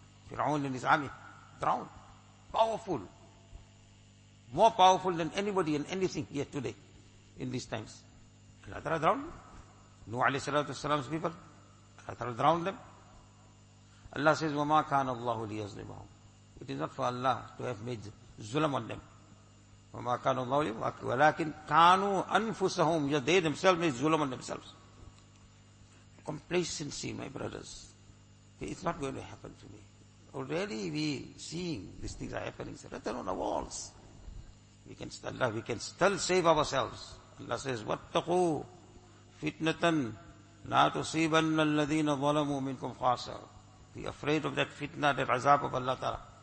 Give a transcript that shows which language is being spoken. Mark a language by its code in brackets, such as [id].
[en] Fir'aun and his army drowned. Powerful. More powerful than anybody and anything yet today in these times. Allah ta'ala drowned them. Nuh alayhi salatu wasalam's people, Allah ta'ala drowned them. Allah says, [ar] وَمَا كَانَ اللَّهُ لِيَظْلِمَهُمْ [en] It is not for Allah to have made zulm on them. [ar] وَمَا كَانَ اللَّهُ لِيَظْلِمَهُمْ وَلَكِنْ كَانُوا أَنفُسَهُمْ [en] They themselves made zulm on themselves. Complacency, my brothers. It's not going to happen to me. Already we seeing these things are happening. It's written on the walls. We can still save ourselves. Allah says, [ar] وَاتَّقُوا فِتْنَةً لَا تُصِيبَنَّ الَّذِينَ ظَلَمُوا مِنْكُمْ خَاسِرًا [en] Be afraid of that fitna, that azab of Allah Ta'ala.